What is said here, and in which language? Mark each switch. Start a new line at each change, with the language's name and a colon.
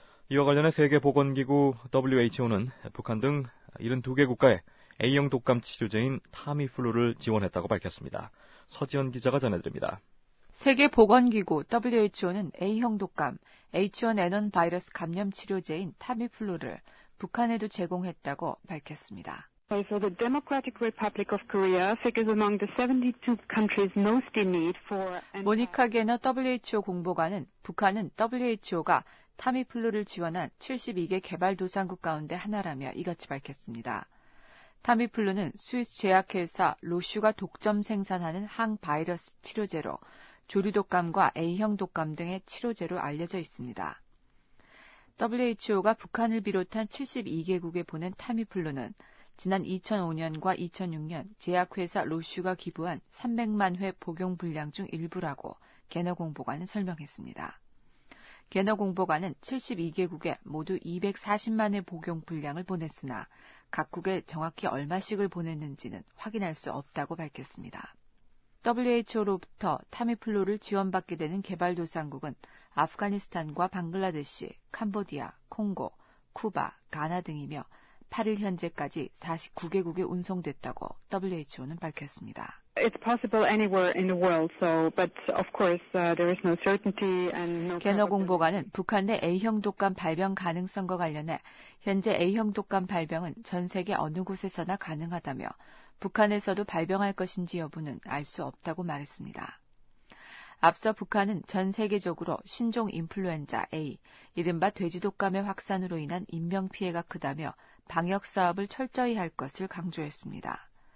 Korean: 이와 관련해 세계보건기구 WHO는 북한 등 72개 국가에 A형 독감 치료제인 타미플루를 지원했다고 밝혔습니다. 서지현 기자가 전해드립니다. 세계보건기구 WHO는 A형 독감 H1N1 바이러스 감염 치료제인 타미플루를 북한에도 제공했다고 밝혔습니다.
English: Also, the Democratic Republic of Korea figures among the 72 countries most in need for.
Korean: 모니카 게너 WHO 공보관은 북한은 WHO가 타미플루를 지원한 72개 개발도상국 가운데 하나라며 이같이 밝혔습니다. 타미플루는 스위스 제약회사 로슈가 독점 생산하는 항바이러스 치료제로 조류독감과 A형 독감 등의 치료제로 알려져 있습니다. WHO가 북한을 비롯한 72개국에 보낸 타미플루는 지난 2005년과 2006년 제약회사 로슈가 기부한 300만 회 복용 분량 중 일부라고 게너 공보관은 설명했습니다. 게너 공보관은 72개국에 모두 240만 회 복용 분량을 보냈으나 각국에 정확히 얼마씩을 보냈는지는 확인할 수 없다고 밝혔습니다. WHO로부터 타미플루를 지원받게 되는 개발도상국은 아프가니스탄과 방글라데시, 캄보디아, 콩고, 쿠바, 가나 등이며 8일 현재까지 49개국에 운송됐다고 WHO는 밝혔습니다.
English: It's possible anywhere in the world, so but of course there is no certainty and no.
Korean: 게너 공보관은 북한 내 A형 독감 발병 가능성과 관련해 현재 A형 독감 발병은 전 세계 어느 곳에서나 가능하다며 북한에서도 발병할 것인지 여부는 알 수 없다고 말했습니다. 앞서 북한은 전 세계적으로 신종 인플루엔자 A, 이른바 돼지독감의 확산으로 인한 인명피해가 크다며 방역사업을 철저히 할 것을 강조했습니다.